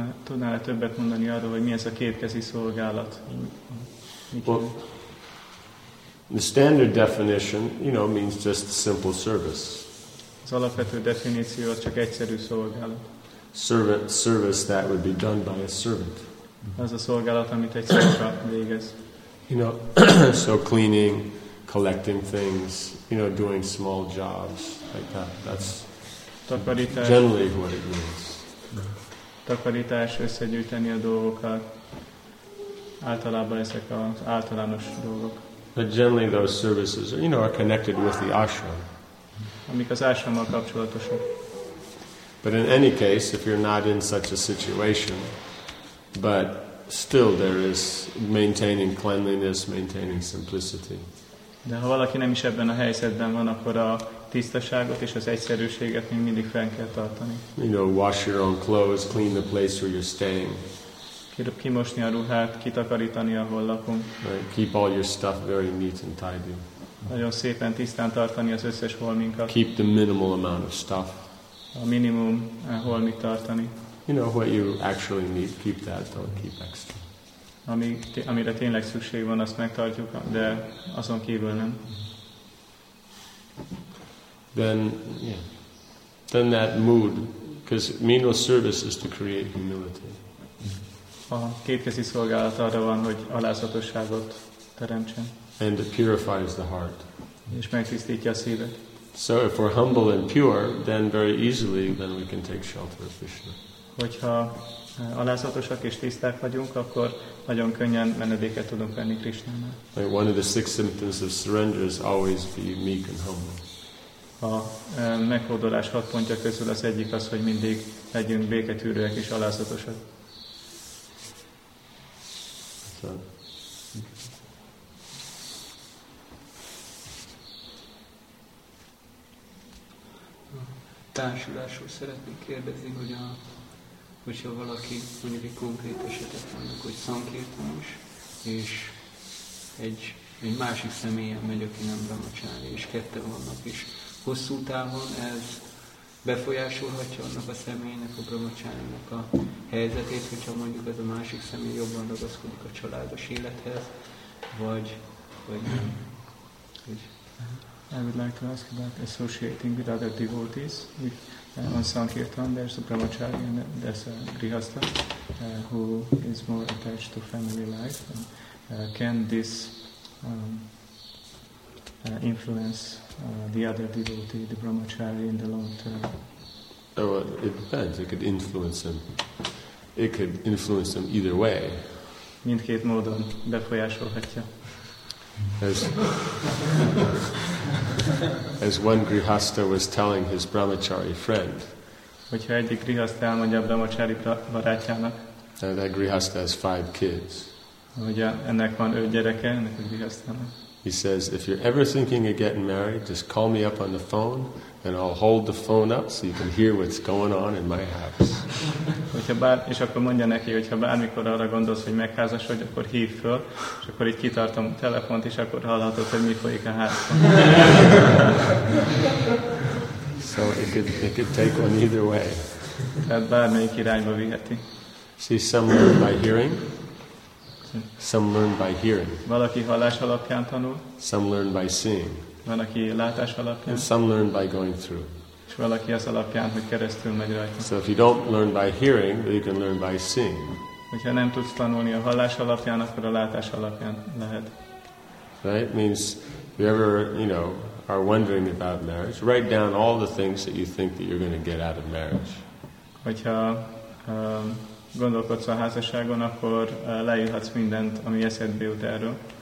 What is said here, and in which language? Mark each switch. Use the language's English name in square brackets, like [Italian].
[Hungarian] Tudnál többet mondani arról, hogy mi ez a kétkezi szolgálat? [English] Well, the standard definition, you know, means just simple service. [Hungarian] Az alapvető definíció az csak egyszerű szolgálat. [English] Service that would be done by a servant. [Hungarian] Az a szolgálat, amit egy szolga végez. [English] You know, so cleaning, collecting things, you know, doing small jobs like that. That's [Hungarian] takarítás, [English] generally what it means. [Hungarian] Takarítás, összegyűjteni a dolgokat. Általában ezek az általános dolgok. [English] But generally those services, you know, are connected with the ashram. [Hungarian] Amik az ashrammal kapcsolatosak. [English] But in any case, if you're not in such a situation, but still there is maintaining cleanliness, maintaining simplicity. [Hungarian] De ha valaki nem is ebben a helyzetben van, akkor a tisztaságot és az egyszerűséget még mindig fenn kell tartani. [English] You know, wash your own clothes, clean the place where you're staying. [Hungarian] Kimosni a ruhát, kitakarítani, ahol lakunk. [English] Right. Keep all your stuff very neat and tidy. [Hungarian] Nagyon szépen tisztán tartani az összes holminkat. [English] Keep the minimal amount of stuff. [Hungarian] A minimum holmit tartani. [English] You know, what you actually need, keep that, don't keep extra. [Hungarian] Amire tényleg szükség van, azt megtartjuk, de azon kívül nem. [English] Then that mood, because menial service is to create humility. [Hungarian] A kétkezi szolgálat arra van, hogy alázatosságot teremtsen. [English] And it purifies the heart. [Hungarian] És megtisztítja a szívet. [English] So if we're humble and pure, then very easily then we can take shelter of Krishna. [Hungarian] Hogyha alázatosak és tiszták vagyunk, akkor nagyon könnyen menedéket tudunk venni Krisnánál. [English] Like one of the six symptoms of surrender is always be meek and humble. [Hungarian] A meghódolás hat pontja közül az egyik az, hogy mindig legyünk béketűrőek és alázatosak. [English] So. [Hungarian] Társulásról szeretnék kérdezni, hogy a hogyha valaki mondjuk egy konkrét esetet mondjuk, hogy szankirtanos, és egy másik személyen megy, aki nem brahmacsári, és ketten vannak, és hosszú távon ez befolyásolhatja annak a személynek, a brahmacsárinak a helyzetét, hogyha mondjuk ez a másik személy jobban ragaszkodik a családos élethez, vagy nem. [English] I would like to ask about associating with other devotees. If on Sankirtan there's a brahmachari and there's a grihastha who is more attached to family life. Can this influence the other devotee, the brahmachari, in the long term? Oh, well, it depends. It could influence them. It could influence them either way. [Hungarian] Mindkét módon befolyásolhatja. [English] As one grihastha was telling his brahmachari friend. [Hungarian] Hogyha egyik grihastha elmondja a brahmachari barátjának. [English] That grihastha has 5 kids. [Hungarian] Ugye ennek van 5 gyereke, ennek a grihasthának. [English] He says, if you're ever thinking of getting married, just call me up on the phone and I'll hold the phone up so you can hear what's going on in my house. [Hungarian] Hogyha és akkor mondja neki, hogy ha bármikor arra gondolsz, hogy megházasodj, akkor hív föl, és akkor itt kitartom a telefont, és akkor hallhatod, hogy mi folyik a házban. [English] So it could take one either way. [Hungarian] Tehát bármelyik irányba viheti. [English] See, some learn by hearing. Some learn by hearing. [Hungarian] Valaki hallás alapján tanul. [English] Some learn by seeing. [Hungarian] Van, aki látás alapján. [English] And some learn by going through. [Hungarian] És valaki az alapján, hogy keresztül megy rajta. [English] So if you don't learn by hearing, you can learn by seeing. [Hungarian] Hogyha nem tudsz tanulni a hallás alapján, akkor a látás alapján lehet. [English] Right? Means if you ever, you know, are wondering about marriage, write down all the things that you think that you're going to get out of marriage. [Hungarian] Hogyha gondolkodsz a házasságon, akkor leírhatsz mindent, ami eszedbe jut erről.